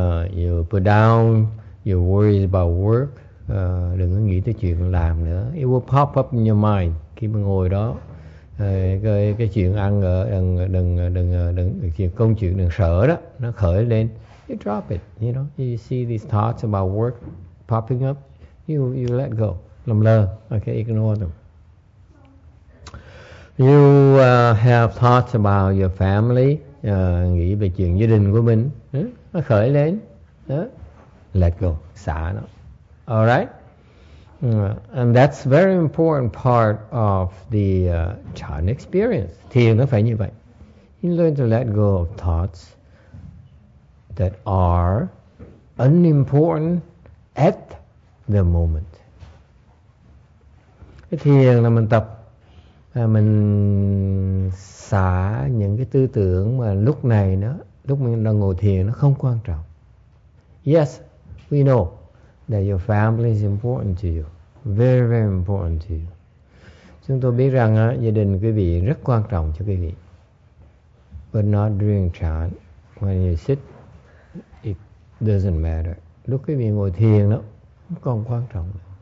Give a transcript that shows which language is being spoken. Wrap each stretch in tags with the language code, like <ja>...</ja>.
<en>You put down your worries about work.</en> <vi>Đừng có nghĩ tới chuyện làm nữa.</vi> <en>It will pop up in your mind</en> <vi>khi mà ngồi đó. Cái chuyện ăn ở đừng công chuyện đừng sợ đó, nó khởi lên.</vi> <en>You drop it, you know. You see these thoughts about work popping up, you let go.</en> <vi>Lầm lơ.</vi> <en>Okay, ignore them. You have thoughts about your family,</en> <vi>nghĩ về chuyện gia đình của mình, nó khởi lên,</vi> <en>let go,</en> <vi>xả nó.</vi> <en>All right? And that's very important part of the chan experience.</en> <vi>Thiền nó phải như vậy.</vi> <en>You learn to let go of thoughts that are unimportant at the moment.</en> <vi>Thiền là mình tập. Mình xả những cái tư tưởng mà lúc này nó, lúc mình đang ngồi thiền nó không quan trọng.</vi> <en>Yes, we know that your family is important to you. Very, very important to you.</en> <vi>Chúng tôi biết rằng gia đình quý vị rất quan trọng cho quý vị.</vi> <en>But not during chan. When you sit, it doesn't matter.</en> <vi>Lúc quý vị ngồi thiền nó không còn quan trọng nữa.</vi>